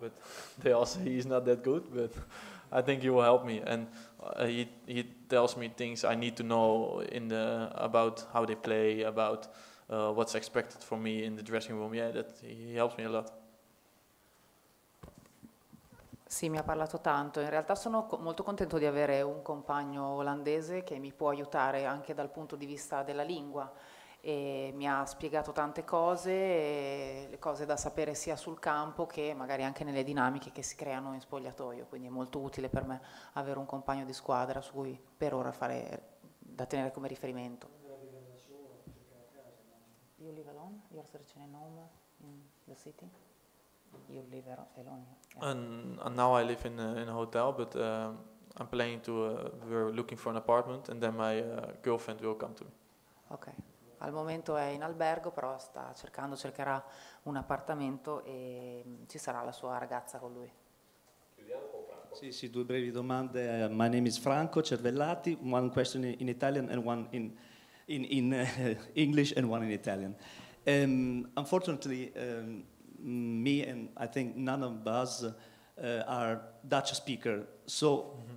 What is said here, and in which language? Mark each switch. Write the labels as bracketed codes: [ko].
[en] But they also, he's not that good, but I think he will help me. And he tells me things I need to know about how they play, about what's expected from me in the dressing room. Yeah, that he helps me a lot. [it] Sì, mi ha parlato tanto. In realtà sono molto contento di avere un compagno olandese che mi può aiutare anche dal punto di vista della lingua. E mi ha spiegato tante cose, le cose da sapere sia sul campo che magari anche nelle dinamiche che si creano in spogliatoio. Quindi è molto utile per me avere un compagno di squadra su cui per ora fare da tenere come riferimento. [en] You live alone? You're searching a home in the city? You live alone? And now I live in a hotel, but I'm planning to we're looking for an apartment, and then my girlfriend will come to me. Okay. [it] Al momento è in albergo, però cercherà un appartamento, e ci sarà la sua ragazza con lui. Sì, 2 brevi domande. [en] My name is Franco Cervellati. One question in Italian and one in English and one in Italian. Unfortunately, me and I think none of us are Dutch speakers. So